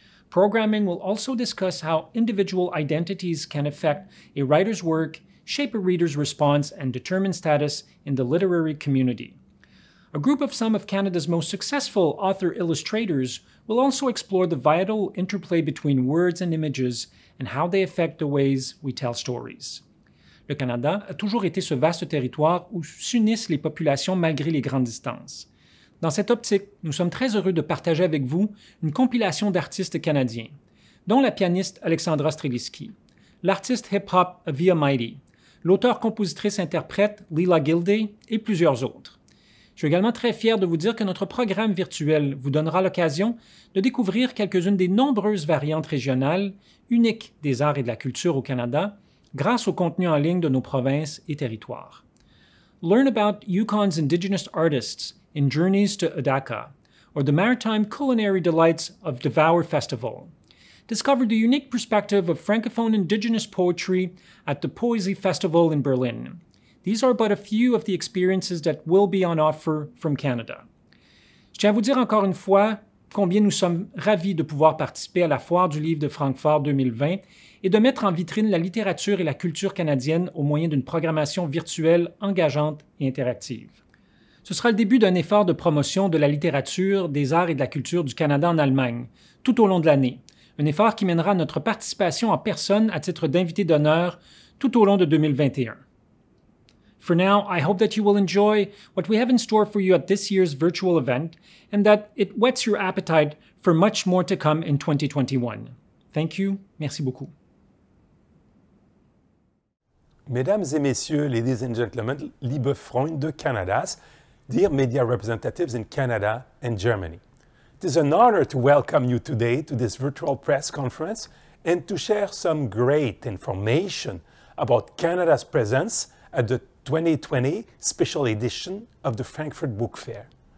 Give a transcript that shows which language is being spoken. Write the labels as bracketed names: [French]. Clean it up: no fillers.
[English] Programming will also discuss how individual identities can affect a writer's work, shape a reader's response, and determine status in the literary community. A group of some of Canada's most successful author-illustrators will also explore the vital interplay between words and images and how they affect the ways we tell stories. [French] Le Canada a toujours été ce vaste territoire où s'unissent les populations malgré les grandes distances. Dans cette optique, nous sommes très heureux de partager avec vous une compilation d'artistes canadiens, dont la pianiste Alexandra Streliski, l'artiste hip-hop Avia Mighty, l'auteur-compositrice-interprète Lila Gilday et plusieurs autres. Je suis également très fier de vous dire que notre programme virtuel vous donnera l'occasion de découvrir quelques-unes des nombreuses variantes régionales, uniques des arts et de la culture au Canada, grâce au contenu en ligne de nos provinces et territoires. [English] Learn about Yukon's Indigenous artists in Journeys to Adaka, or the Maritime Culinary Delights of Devour Festival. Discover the unique perspective of Francophone Indigenous poetry at the Poesy Festival in Berlin. These are but a few of the experiences that will be on offer from Canada. [French] Je tiens à vous dire encore une fois combien nous sommes ravis de pouvoir participer à la Foire du livre de Francfort 2020 et de mettre en vitrine la littérature et la culture canadienne au moyen d'une programmation virtuelle engageante et interactive. Ce sera le début d'un effort de promotion de la littérature, des arts et de la culture du Canada en Allemagne, tout au long de l'année. Un effort qui mènera à notre participation en personne à titre d'invité d'honneur tout au long de 2021. [English] For now, I hope that you will enjoy what we have in store for you at this year's virtual event and that it whets your appetite for much more to come in 2021. Thank you. [French] Merci beaucoup. Mesdames et messieurs, [English] ladies and gentlemen, [German] liebe Freunde Kanadas, [English] dear media representatives in Canada and Germany, it is an honor to welcome you today to this virtual press conference and to share some great information about Canada's presence at the 2020 special edition of the Frankfurt Book Fair.